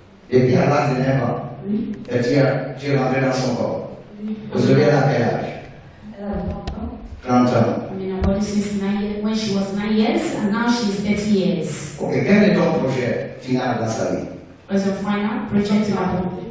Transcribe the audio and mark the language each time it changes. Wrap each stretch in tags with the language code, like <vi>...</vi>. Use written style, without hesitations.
<fr>Depuis à l'âge de 9 ans, que tu es rentré dans son corps. Oui. Vous avez à quel âge? Elle a 30 ans. 30 ans.</fr> <en>When she was 9 years and now she is 30 years.</en> <fr>Ok, quel est ton projet final dans sa vie?</fr> <en>What's your final project to have?</en>